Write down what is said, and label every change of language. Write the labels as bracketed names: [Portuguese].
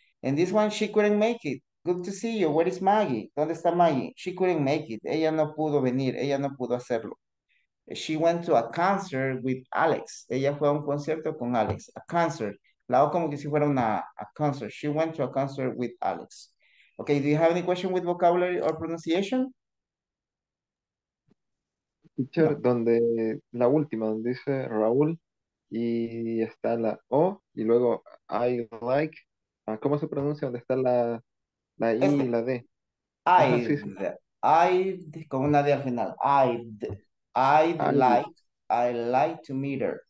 [English] And this one, she couldn't make it. Good to see you. Where is Maggie? [Spanish] ¿Dónde está Maggie? [English] She couldn't make it. [Spanish] Ella no pudo venir. Ella no pudo hacerlo. [English] She went to a concert with Alex. [Spanish] Ella fue a un concierto con Alex. [English] A concert. [Spanish] La O como que si fuera una [English] a concert. She went to a concert with Alex. Okay, do you have any question with vocabulary or pronunciation? Teacher, no. [Spanish] Donde la última, donde dice Raúl, y está la O, y luego [English] I like... [Spanish] ¿Cómo se pronuncia? ¿Dónde está la I y la D? [English] I'd, [Spanish] con una D al final. [English] I'd like, I like to meet her.